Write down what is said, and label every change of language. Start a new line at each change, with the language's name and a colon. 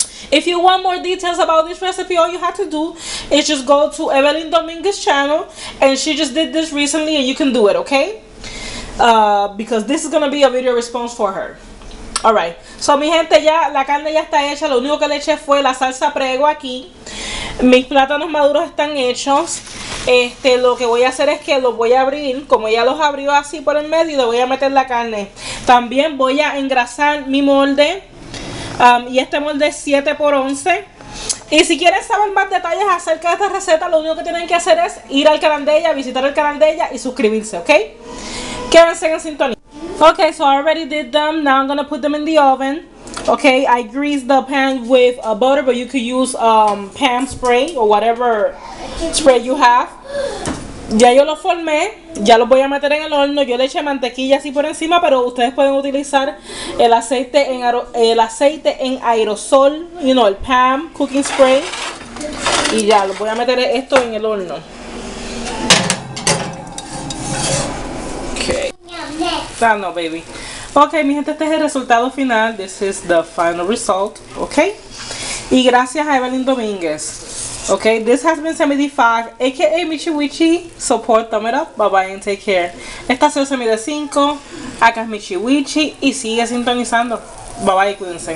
English: If you want more details about this recipe, all you have to do is just go to Evelyn Domínguez's channel, and she just did this recently, and you can do it, okay? Because this is gonna be a video response for her. Alright, so
Spanish: mi gente, ya la carne ya está hecha. Lo único que le eché fue la salsa prego aquí. Mis plátanos maduros están hechos. Lo que voy a hacer es que los voy a abrir, como ella los abrió así por el medio, y le voy a meter la carne. También voy a engrasar mi molde Y este molde es 7x11. Y si quieren saber más detalles acerca de esta receta, lo único que tienen que hacer es ir al canal de ella, visitar el canal de ella y suscribirse, ¿ok? Quédense en sintonía.
English: Okay, so I already did them. Now I'm gonna put them in the oven. Okay, I greased the pan with butter, but you could use pan spray or whatever spray you have.
Spanish: Ya yo lo formé, ya lo voy a meter en el horno. Yo le eché mantequilla así por encima, pero ustedes pueden utilizar el aceite en aerosol,
English: you know,
Spanish: el Pam cooking spray. Y ya lo voy a meter esto en el horno. Okay.
English: No, baby.
Spanish: Okay, mi gente, este es el resultado final.
English: This is the final result, okay?
Spanish: Y gracias a
English: Evelyn Domínguez. Okay, this has been Semi D5, aka Michi Wichi. Support, thumb it up, bye bye and take care.
Spanish: Esta ha sido Semi D5, acá es Michi Wichi y sigue sintonizando.
English: Bye bye
Spanish: y cuídense.